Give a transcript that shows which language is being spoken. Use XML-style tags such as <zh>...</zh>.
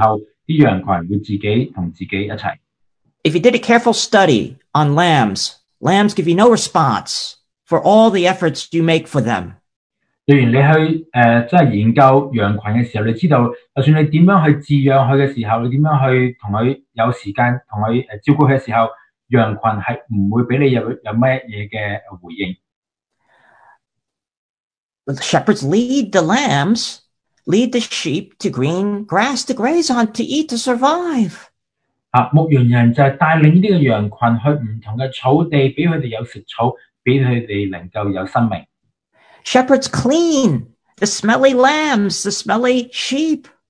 <zh>貓狗你跟它玩的時候,貓狗會回來跟你玩,但羊群不會這樣,你就算怎樣照顧它的時候,羊群會自己跟自己一起。</zh> <en>If you did a careful study on lambs, lambs give you no response for all the efforts you make for them.</en> <zh>例如你去研究羊群的時候,你知道,就算你怎樣去飼養它的時候,你怎樣去跟它有時間,跟它照顧它的時候,羊群是不會給你有什麼回應。</zh> <en>The shepherds lead the lambs, lead the sheep to green grass to graze on, to eat, to survive.</en> <zh>牧羊人就帶領這個羊群去不同的草地,讓他們有食草,讓他們能夠有生命。</zh> <en>Shepherds clean the smelly lambs, the smelly sheep.</en>